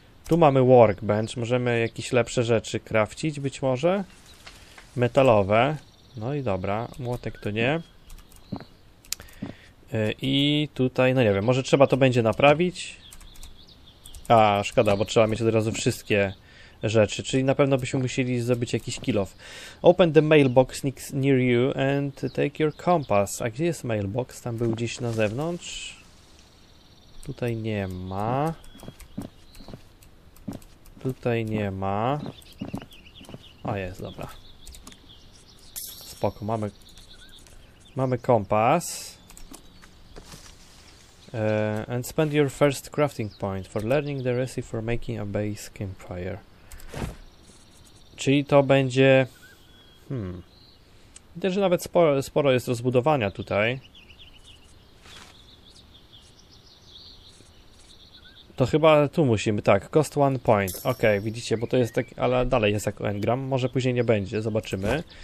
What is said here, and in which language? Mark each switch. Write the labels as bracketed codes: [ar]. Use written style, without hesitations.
[pl] Tu mamy workbench, możemy jakieś lepsze rzeczy craftić być może. Metalowe. No i dobra, młotek to nie. I tutaj, no nie wiem, może trzeba to będzie naprawić. A, szkoda, bo trzeba mieć od razu wszystkie rzeczy, czyli na pewno byśmy musieli zrobić jakiś kill-off. [en] Open the mailbox near you and take your compass. [pl] A gdzie jest mailbox? Tam był gdzieś na zewnątrz. Tutaj nie ma. Tutaj nie ma. O, jest, dobra. Spoko, mamy... Mamy kompas. [en] And spend your first crafting point for learning the recipe for making a base campfire. [pl] Czyli to będzie... Widzę, że nawet sporo jest rozbudowania tutaj. To chyba tu musimy, tak, [en] cost one point, [pl] ok, widzicie, bo to jest tak, ale dalej jest jak engram, może później nie będzie, zobaczymy.